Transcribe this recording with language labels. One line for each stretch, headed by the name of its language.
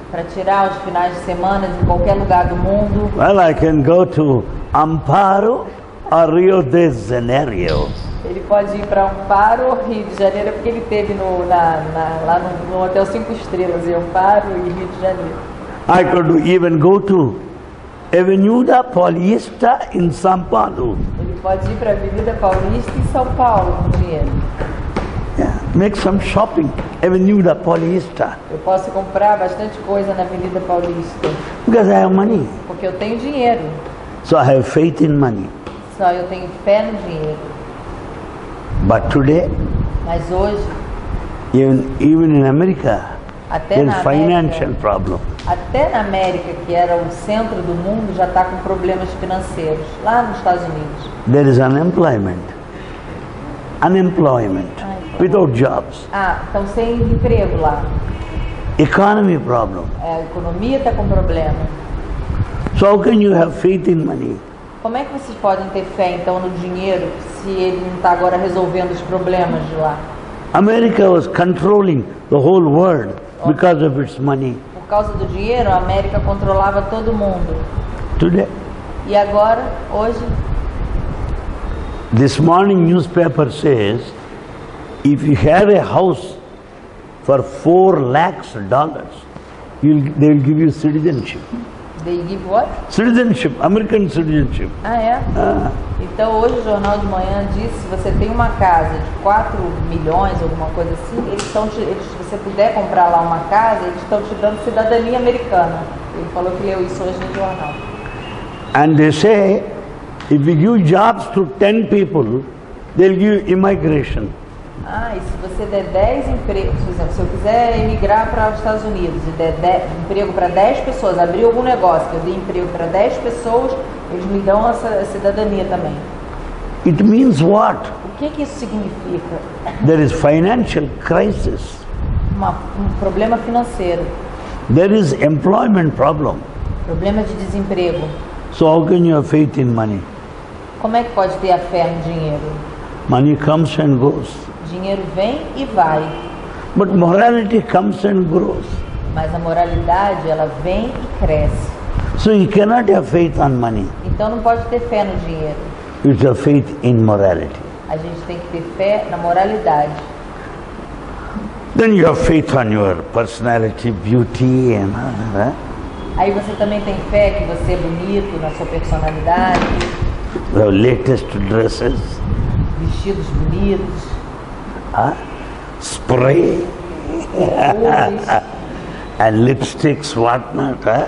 Portuguese: Para tirar os finais de semana de qualquer lugar do mundo.
English: Well, I can go to Amparo or Rio de Janeiro.
Portuguese: Ele pode ir para Amparo ou Rio de Janeiro, porque ele esteve lá no Hotel 5 Estrelas, em Amparo e Rio de Janeiro.
English: I could even go to Avenida Paulista in São Paulo.
Portuguese: Ele pode ir para Avenida Paulista em São Paulo com dinheiro.
English: Yeah, make some shopping, Avenida Paulista.
Portuguese: Eu posso comprar bastante coisa na Avenida Paulista.
English: Because I have money.
Portuguese: Porque eu tenho dinheiro.
English: So I have faith in money.
Portuguese: Só eu tenho fé no dinheiro.
English: But today,
Portuguese: mas hoje,
English: even in America, there's financial problem.
Portuguese: Até na América, que era o centro do mundo, já está com problemas financeiros. Lá nos Estados Unidos,
English: there is unemployment. Unemployment. Ai, without jobs.
Portuguese: Estão sem emprego lá.
English: Economy problem.
Portuguese: A economia está com problema.
English: So how can you have faith in money?
Portuguese: Como é que vocês podem ter fé então no dinheiro se ele não está agora resolvendo os problemas de lá?
English: America was controlling the whole world because of its money.
Portuguese: Por causa do dinheiro, a América controlava todo mundo.
English: Today.
Portuguese: E agora, hoje?
English: This morning newspaper says, if you have a house for $4 lakhs, they will give you citizenship. They give what? Citizenship, American citizenship.
Portuguese: Ah, é? Então hoje o jornal de manhã disse, se você tem uma casa de 4 milhões, alguma coisa assim, se você puder comprar lá uma casa, eles estão te dando cidadania americana. Ele falou que leu isso hoje no jornal.
English: And they say, if you give jobs to 10 people, they'll give immigration.
Portuguese: Ah, e se você der 10 empregos, por exemplo, se eu quiser emigrar para os Estados Unidos e der emprego para 10 pessoas, abrir algum negócio que eu dê emprego para 10 pessoas, eles me dão essa cidadania também.
English: It means what?
Portuguese: O que que isso significa?
English: There is financial crisis.
Portuguese: Um problema financeiro.
English: There is employment problem.
Portuguese: Problema de desemprego.
English: So how can you have faith in money?
Portuguese: Como é que pode ter a fé no dinheiro?
English: Money comes and goes.
Portuguese: Dinheiro vem e vai.
English: But morality comes and grows.
Portuguese: Mas a moralidade, ela vem e cresce.
English: So you cannot have faith on money.
Portuguese: Então não pode ter fé no dinheiro.
English: You have faith in morality.
Portuguese: A gente tem que ter fé na moralidade.
English: Then you have faith on your personality, beauty and all that.
Portuguese: Aí você também tem fé que você é bonito na sua personalidade.
English: The latest dresses.
Portuguese: Vestidos bonitos.
English: Ah, spray. And lipsticks, what not, huh?